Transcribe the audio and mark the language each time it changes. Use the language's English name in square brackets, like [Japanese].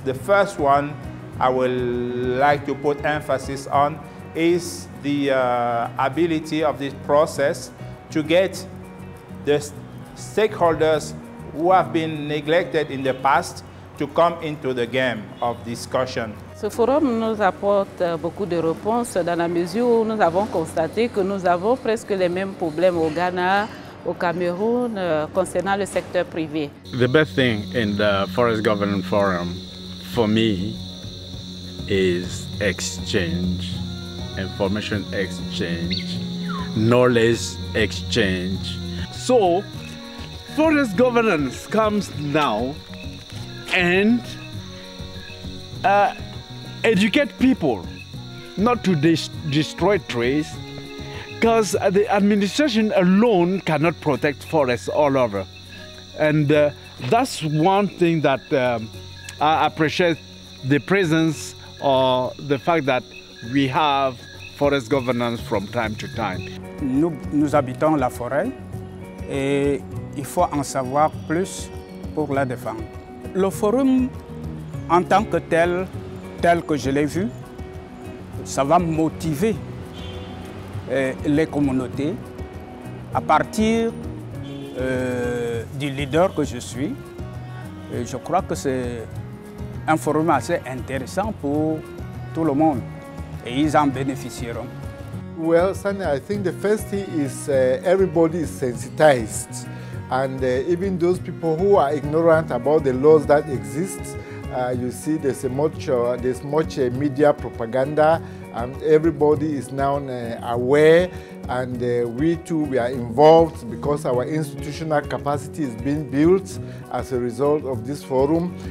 [English] The first one I would like to put emphasis on is the ability of this process to get the stakeholders who have been neglected in the past to come into the game of discussion. [French] Ce forum nous apporte beaucoup de réponses dans la mesure où nous avons constaté que nous avons presque les mêmes problèmes au Ghana, au Cameroun, concernant le secteur privé. [English] The best thing in the Forest Governance Forum for me is exchange, information exchange, knowledge exchange. So, forest governance comes now and educate people not to destroy trees, because the administration alone cannot protect forests all over. And that's one thing that I appreciate, the presence or the fact that we have forest governance from time to time. [French] Nous habitons la forêt et il faut en savoir plus pour la défendre. Le forum en tant que tel que je l'ai vu, ça va motiver les communautés à partir du leader que je suis. Et je crois que c'est un forum assez intéressant pour tout le monde et ils en bénéficieront. [English] Well, Sunny, I think the first thing is everybody is sensitized, and even those people who are ignorant about the laws that exist, you see there's much media propaganda, and everybody is now aware, and we too, we are involved because our institutional capacity is being built as a result of this forum.